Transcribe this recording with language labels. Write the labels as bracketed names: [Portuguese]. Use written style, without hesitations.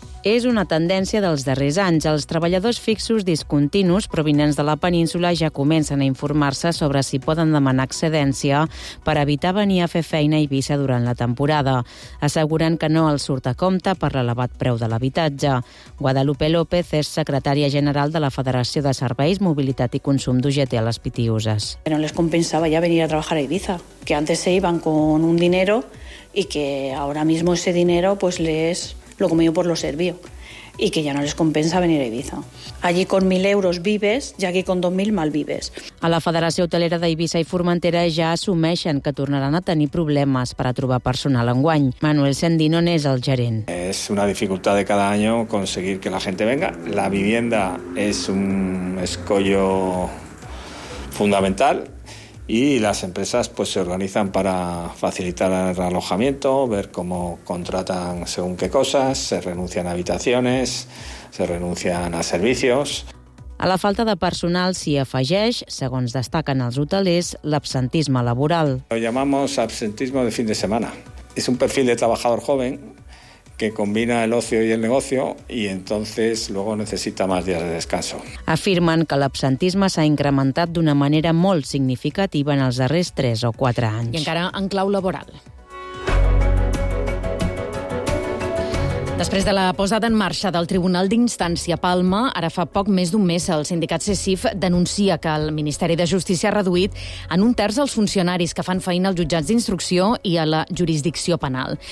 [Catalan] És una tendència dels darrers anys. Els treballadors fixos discontinus provenients de la península ja comencen a informar-se sobre si poden demanar excedència per evitar venir a fer feina a Eivissa durant la temporada. Asseguren que no els surt a compte per l'elevat preu de l'habitatge. Guadalupe López és secretària general de la Federació de Serveis, Mobilitat i Consum d'UGT a les Pitiuses. No les compensava ja venir a treballar a Eivissa, [Spanish] que antes se iban con un dinero y que ahora mismo ese dinero pues les... lo comido por lo servido, y que ya no les compensa venir a Eivissa. Allí con 1.000 euros vives, ya que con 2.000 mal vives. [Catalan] A la Federació Hotelera d'Eivissa i Formentera ja assumeixen que tornaran a tenir problemes per a trobar personal enguany. Manuel Sendino n'és el gerent. [Spanish] Es una dificultad de cada año conseguir que la gente venga. La vivienda es un escollo fundamental. Y las empresas pues se organizan para facilitar el alojamiento, ver cómo contratan según qué cosas, se renuncian a habitaciones, se renuncian a servicios. [Catalan] A la falta de personal s'hi afegeix, segons destaquen els hotelers, l'absentisme laboral. [Spanish] Lo llamamos absentismo de fin de semana. Es un perfil de trabajador joven que combina el ocio y el negocio y entonces luego necesita más días de descanso. [Catalan] Afirmen que l'absentisme s'ha incrementat d'una manera molt significativa en els darrers 3 o 4 anys. I encara en clau laboral. Després de la posada en marxa del Tribunal d'Instància a Palma, ara fa poc més d'un mes, el sindicat CESIF denuncia que el Ministeri de Justícia ha reduït en un terç els funcionaris que fan feina als jutjats d'instrucció i a la jurisdicció penal.